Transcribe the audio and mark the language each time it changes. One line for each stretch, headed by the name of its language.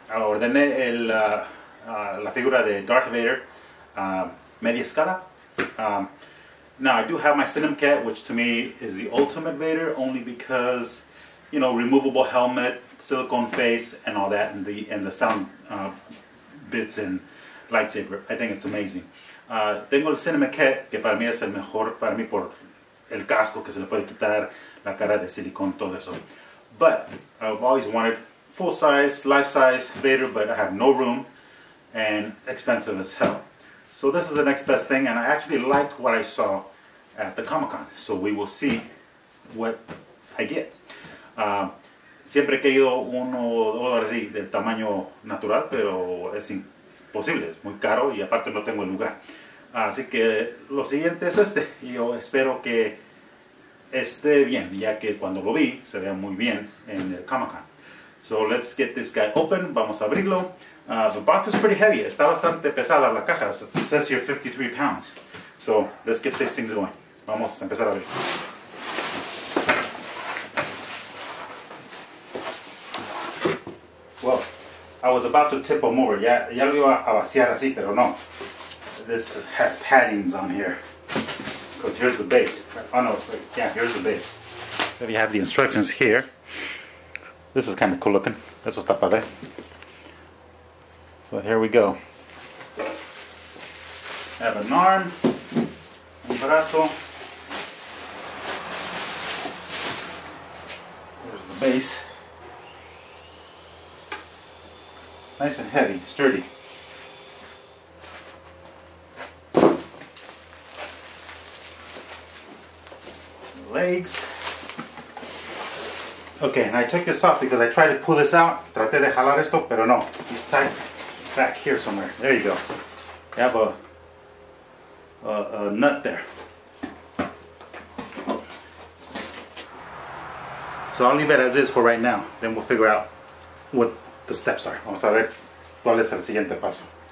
Spanish: I ordené la figura de Darth Vader, media escala.
English: Now I do have my Cinem Cat, which to me is the ultimate Vader, only because, you know, removable helmet, silicone face, and all that, and the sound bits and lightsaber. I think it's amazing.
Spanish: Tengo el Cinem Cat, que para mí es el mejor, para mí por el casco que se le puede quitar, la cara de silicone, todo eso.
English: But I've always wanted full size, life size Vader, but I have no room, and expensive as hell. So this is the next best thing, and I actually liked what I saw at the Comic-Con. So we will see what I get.
Spanish: Siempre he querido uno, ahora sí, del tamaño natural, pero es imposible. Es muy caro y aparte no tengo el lugar. Así que lo siguiente es este. Yo espero que esté bien, ya que cuando lo vi, se vea muy bien en el Comic-Con.
English: So let's get this guy open.
Spanish: Vamos a abrirlo.
English: The box is pretty heavy.
Spanish: Está bastante pesada la caja.
English: So it says here 53 pounds. So let's get these things going.
Spanish: Vamos a empezar a abrir.
English: Well, I was about to tip them over.
Spanish: Ya lo iba a vaciar así, pero no.
English: This has paddings on here. Because here's the base. Oh no, yeah, here's the base. So you have the instructions here. This is kind of cool looking.
Spanish: Eso está padre.
English: So here we go. I have an arm,
Spanish: un brazo.
English: There's the base. Nice and heavy, sturdy. Legs. Okay, and I took this off because I tried to pull this out.
Spanish: Traté de jalar esto, pero no.
English: It's tight. Back here somewhere. There you go. You have a nut there. So I'll leave it as is for right now. Then we'll figure out what the steps are.
Spanish: Vamos a ver cuál es el siguiente paso.